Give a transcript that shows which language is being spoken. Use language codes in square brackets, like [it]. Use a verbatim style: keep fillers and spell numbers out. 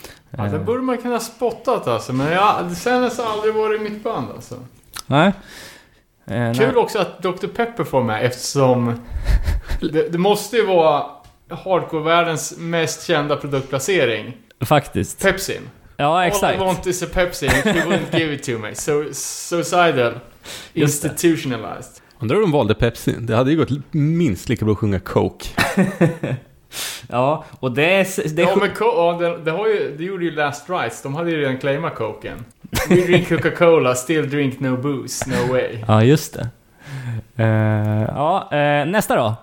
[sv] Ja, det borde man kunna spottat alltså, men jag sen har aldrig varit i mitt band alltså. Nej. Eh, Kul nej. Också att doktor Pepper får med, eftersom det, det måste ju vara hardcore-världens mest kända produktplacering. Faktiskt. Pepsi. Ja, exakt. [en] All I want is a Pepsi and you won't give it to me. So, suicidal. Institutionalized. [sv] Undrar om de valde Pepsi. Det hade ju gått minst lika bra att sjunga Coke. Ja, och det är... Det, ja, men Co- ja, det, det, har ju, det gjorde ju Last Rites. De hade ju redan claimat Coken. [en] We drink Coca-Cola, still drink no booze, no way. [sv] Ja, just det. Uh, ja, uh, nästa då.